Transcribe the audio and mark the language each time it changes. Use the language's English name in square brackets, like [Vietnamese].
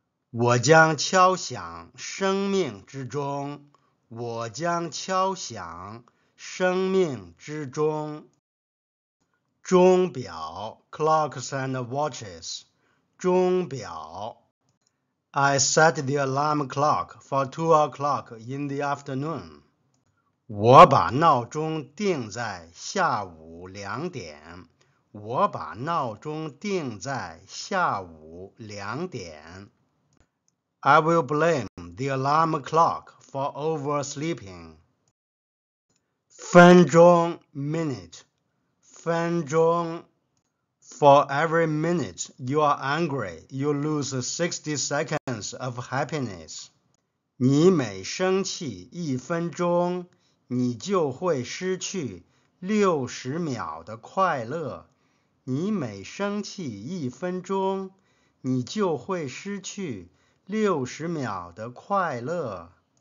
[Chinese] 我将敲响生命之钟。 [English] 钟表 clocks and watches. 钟表 I set the alarm clock for 2 o'clock in the afternoon. [Chinese] 我把闹钟定在下午两点。我把闹钟定在下午两点。 [English] I will blame the alarm clock for oversleeping. 分钟 minute. 分钟 For every minute you are angry, you lose 60 seconds of happiness. [Chinese] 你每生气一分钟，你就会失去60秒的快乐。你每生气一分钟，你就会失去60秒的快乐。